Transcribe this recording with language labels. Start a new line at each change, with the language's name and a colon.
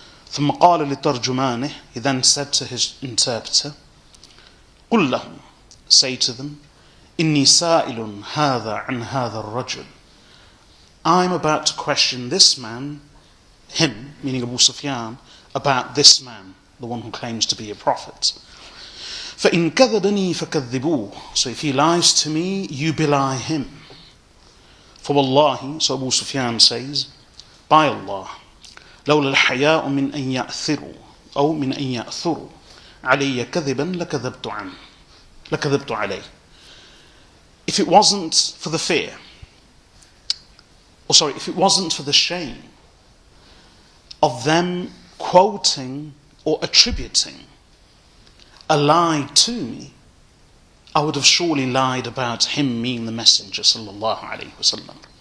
Arabic: ثُمَّ قَالَ لِتَرْجُمَانِهِ,
English: he then said to his interpreter,
Arabic: قُلْ لَهُمْ,
English: say to them,
Arabic: إِنِّي سَائِلٌ هَذَا عَنْ هَذَا الرَّجُلِ,
English: I'm about to question this man, him, meaning Abu Sufyan, about this man, the one who claims to be a prophet.
Arabic: فَإِن كَذَبَنِي فَكَذِّبُوهُ,
English: so if he lies to me, you belie him. For wallahi, so Abu Sufyan says, by Allah,
Arabic: لَوْلَ الْحَيَاءُ مِنْ أَنْ يَأْثِرُوا أَوْ مِنْ أَنْ يَأْثُرُوا عَلَيَّ كَذِبًا لَكَذَبْتُ عَنْهُ لَكَذَبْتُ عَلَيْهِ.
English: If it wasn't for the fear, or sorry, if it wasn't for the shame of them quoting or attributing a lie to me, I would have surely lied about him being the messenger, sallallahu alayhi wasallam.